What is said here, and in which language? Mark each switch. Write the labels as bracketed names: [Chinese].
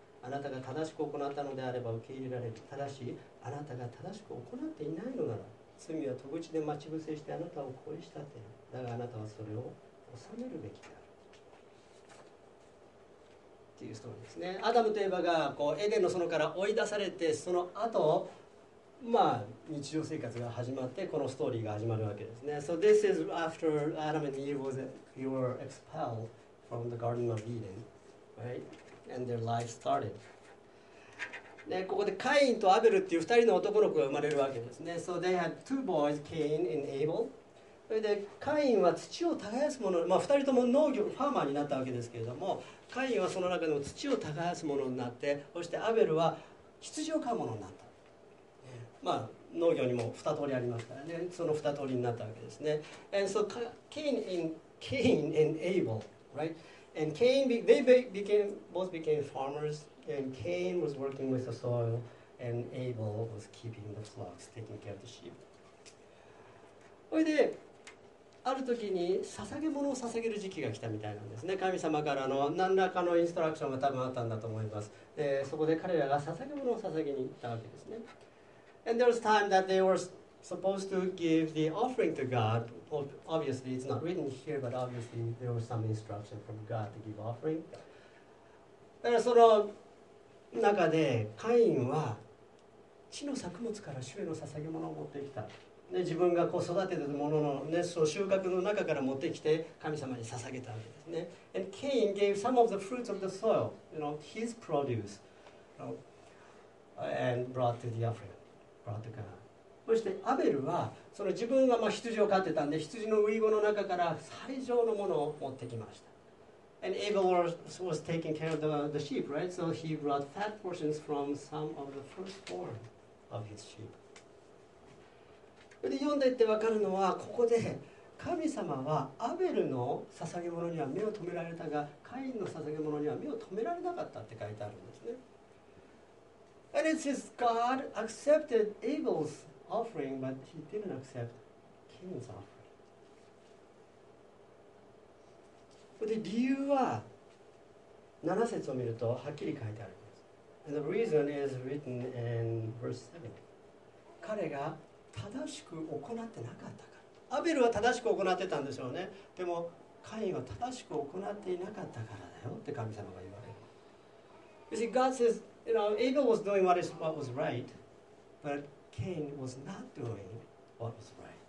[Japanese] あなたが正しく行ったのであれば受け入れられる。ただしあなたが正しく行っていないのなら、罪は戸口で待ち伏せしてあなたを恋したてる。だがあなたはそれを収めるべきである。ていうストーリーですね。アダムとエヴァがこうエデンの園から追い出されて、その後、まあ日常生活が始まって、このストーリーが始まるわけですね。 [English] So this is after Adam and Eve was were expelled from the Garden of Eden, right? And their life started. [Japanese] でここでカインとアベルっていう2人の男の子が生まれるわけですね。 [English] So they had two boys, Cain and Abel. [Japanese] それでカインは土を耕すもの、まあ、2人とも農業ファーマーになったわけですけれども、カインはその中でも土を耕すものになって、そしてアベルは羊を飼うものになった。まあ、農業にも二通りありますからね。その二通りになったわけですね。 [English] And so Cain and Abel, right? And Cain, they became, both became farmers. And Cain was working with the soil, and Abel was keeping the flocks, taking care of the sheep. [Japanese] それで、ある時に捧げ物を捧げる時期が来たみたいなんですね。神様からの何らかのインストラクションが多分あったんだと思います。で、そこで彼らが捧げ物を捧げに行ったわけですね。 [English] And there was time that they were supposed to give the offering to God. Obviously, it's not written here, but obviously there was some instruction from God to give offering. [Japanese] And その中でカインは地の作物から主への捧げ物を持ってきた。で、自分がこう育てたものの、ね、そう収穫の中から持ってきて神様に捧げたわけですね。 [English] And Cain gave some of the fruits of the soil, you know, his produce, you know, and brought to the offering. [Japanese] そしてアベルはその自分がまあ羊を飼ってたんで、羊のウイゴの中から最上のものを持ってきました。 [English] And Abel was taking care of the sheep, right? So he brought fat portions from some of the firstborn of his sheep. [Japanese] で、読んでって分かるのは、ここで神様はアベルの捧げ物には目を止められたが、カインの捧げ物には目を止められなかったって書いてあるんですね。 [English] And it says God accepted Abel's offering, but he didn't accept Cain's offering. But the [Japanese] 理由は7節を見るとはっきり書いてあります。 [English] And the reason is written in verse 7. [Japanese] 彼が正しく行ってなかったから。アベルは正しく行ってたんでしょうね。でもカインは正しく行っていなかったからだよって神様が言われる。 [English] You see, God says,You know, Abel was doing what was right, but Cain was not doing what was right.